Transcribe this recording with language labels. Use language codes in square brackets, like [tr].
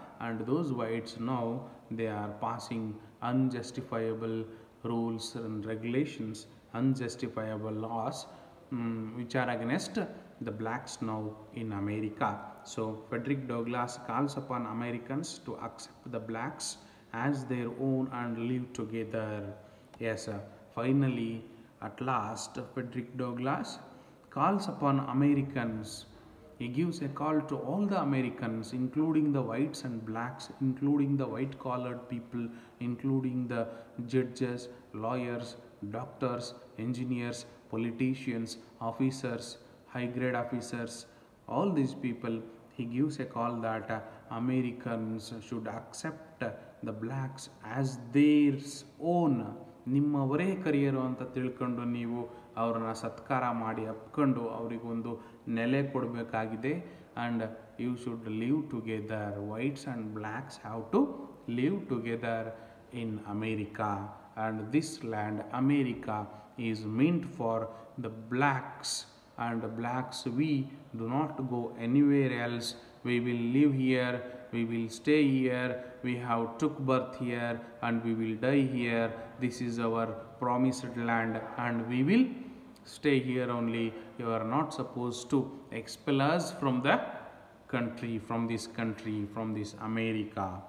[en] And those whites now they are passing unjustifiable rules and regulations, unjustifiable laws which are against the blacks now in America. So Frederick Douglass calls upon Americans to accept the blacks as their own and live together. Yes finally at last Frederick Douglass calls upon Americans. He gives a call to all the Americans, including the whites and blacks, including the white-collared people, including the judges, lawyers, doctors, engineers, politicians, officers, high-grade officers, all these people. He gives a call that Americans should accept the blacks as their own. [kn] ನಿಮ್ಮವರೇ ಕರಿಯರು ಅಂತ ತಿಳ್ಕೊಂಡು ನೀವು ಅವ್ರನ್ನ ಸತ್ಕಾರ ಮಾಡಿ ಅಪ್ಕೊಂಡು ಅವರಿಗೊಂದು ನೆಲೆ ಕೊಡಬೇಕಾಗಿದೆ. [en] And you should live together, whites and blacks have to live together in America. And this land America is meant for the blacks and blacks we do not go anywhere else. We will live here, we will stay here, we have took birth here, and we will die here. This is our promised land, and we will stay here only. You are not supposed to expel us from the country, from this country, from this America.